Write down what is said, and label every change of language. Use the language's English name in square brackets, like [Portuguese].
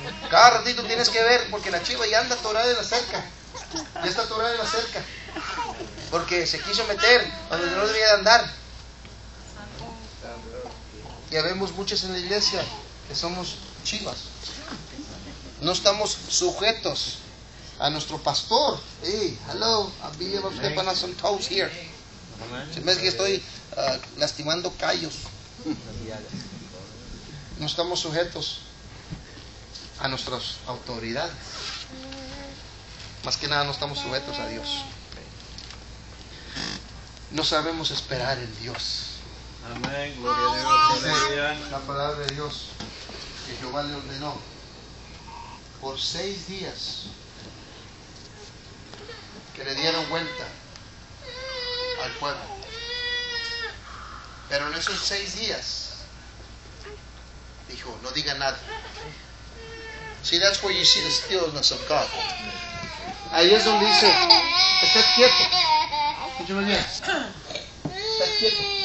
[Spanish] Cada ratito tienes que ver porque la chiva ya anda atorada en la cerca. Ya está atorada en la cerca. Porque se quiso meter donde no debía de andar. Ya vemos muchas en la iglesia que somos chivas. No estamos sujetos a nuestro pastor. [English] Hey, hello, I'm Billy of Stephanas and Toes here. [Spanish] Se me hace que estoy lastimando callos. No estamos sujetos a nuestras autoridades. Más que nada, no estamos sujetos a Dios. No sabemos esperar en Dios. Amén. Gloria a Dios. La palabra de Dios que Jehová le ordenó por 6 días que le dieron vuelta al pueblo. Pero en esos 6 días dijo, no diga nada. [English] See, that's where you see the stillness of God. [Spanish] Ahí es donde dice, estás quieto. Escúchame bien. Estás quieto.